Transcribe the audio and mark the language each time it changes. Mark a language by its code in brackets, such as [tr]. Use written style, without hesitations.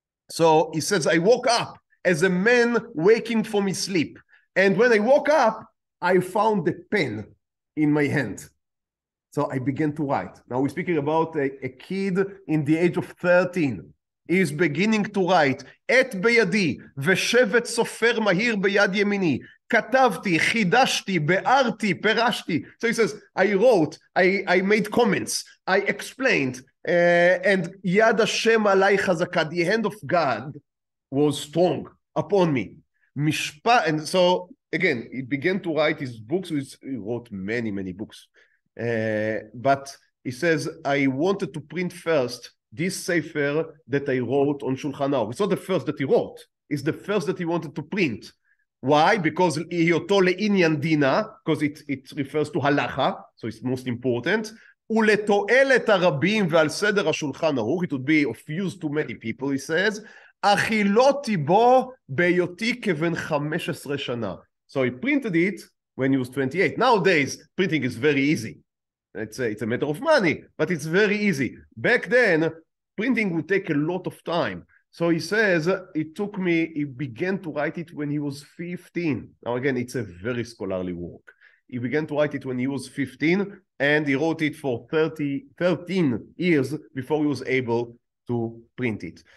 [en] So he says, I woke up as a man waking from his sleep. And when I woke up, I found the pen in my hand. So I began to write. Now we're speaking about a kid in the age of 13. He is beginning to write. [he] את בידי ושבט סופר מהיר ביד ימיני. כתבתי, חידשתי, בארתי, פרשתי. [en] So he says, I wrote, I made comments, I explained. And [he] יד השם עליי חזקה, [en] the hand of God was strong upon me. משפט, and so again, he began to write his books, he wrote many, many books. But he says, I wanted to print first this sefer that I wrote on Shulchan Aruch. It's not the first that he wrote, it's the first that he wanted to print. Why? Because [he] היותו לעניין דינה, [en] because it refers to halacha, so it's most important. [he] ולתועלת הרבים ועל סדר השולחן ערוך, [en] it would be of use to many people, he says, [he] אכילותי בו ביותי כבן 15 שנה. [en] So he printed it when he was 28. Nowadays, printing is very easy. It's a matter of money, but it's very easy. Back then, printing would take a lot of time. So he says, he began to write it when he was 15. Now again, it's a very scholarly work. He began to write it when he was 15, and he wrote it for 13 years before he was able to print it.